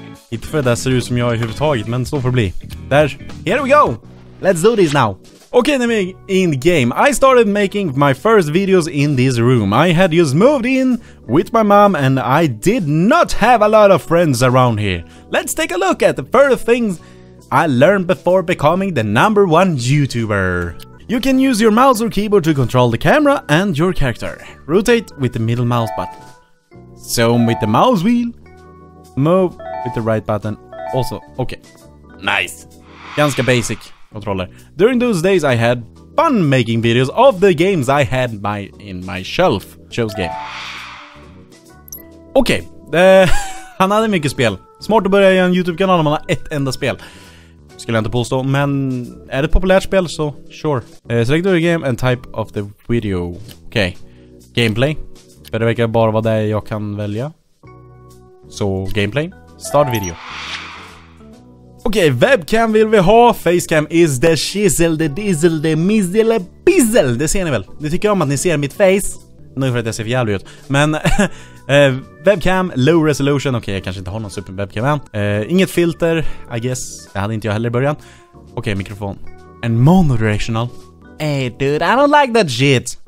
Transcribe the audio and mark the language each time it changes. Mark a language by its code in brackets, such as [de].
[sv] Inte för det ser ut som jag i huvud taget, men så får bli. [en] Där, here we go! Let's do this now! Okay, now in game. I started making my first videos in this room. I had just moved in with my mom and I did not have a lot of friends around here. Let's take a look at the first things I learned before becoming the number one YouTuber. You can use your mouse or keyboard to control the camera and your character. Rotate with the middle mouse button. Zoom with the mouse wheel. Move with the right button. Also, okay. Nice. [sv] Ganska basic controller. [en] During those days I had fun making videos of the games I had in my shelf. Chose game. [sv] Okay. Han hade mycket spel. Smart att börja göra en YouTube-kanal om man har ett enda spel. Skulle jag inte påstå, men är det ett populärt spel så sure. [en] Select your game and type of the video. Okej. Okay. Gameplay. [sv] För det verkar bara vara det jag kan välja. Så gameplay. Start video. Okej, okay, webcam vill vi ha. [en] Facecam is the shizzle, the dizzle, the mizzle, the bizzle. [sv] Det ser ni väl. Det tycker jag om att ni ser mitt face. Nu för att jag ser för jävligt ut. Men webcam, low resolution. Okej, jag kanske inte har någon super webcam än. Inget filter, I guess. Det hade inte jag heller i början. Okej, mikrofon. En monodirectional. [en] Hey dude, I don't like that shit.